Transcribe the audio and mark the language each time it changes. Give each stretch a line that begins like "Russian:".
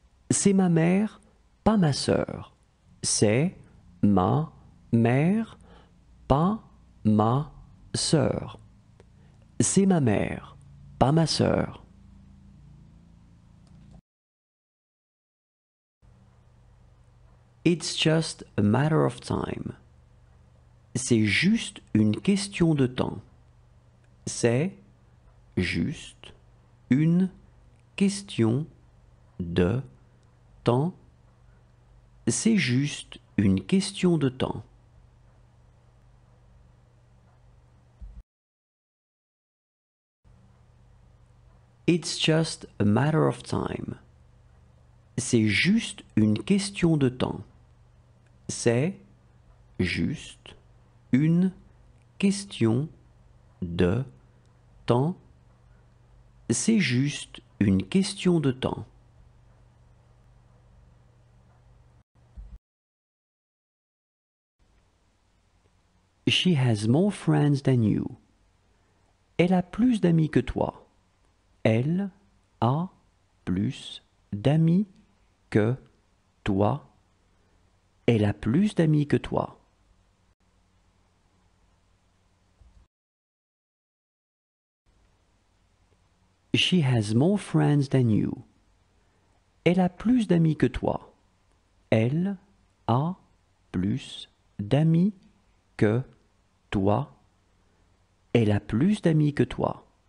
French: C'est ma mère, pas ma sœur. C'est ma mère, pas ma sœur. C'est ma mère, pas ma sœur.
English: It's just a matter of time.
French: C'est juste une question de temps. C'est juste une question de temps. C'est juste une question de temps.
English: It's just a matter of time.
French: C'est juste une question de temps. C'est juste une question de temps. C'est juste une question de temps.
English: She has more friends than you.
French: Elle a plus d'amis que toi. Elle a plus d'amis que toi. Elle a plus d'amis que toi.
English: She has more friends than you.
French: Elle a plus d'amis que toi. Elle a plus d'amis que toi. Elle a plus d'amis que toi.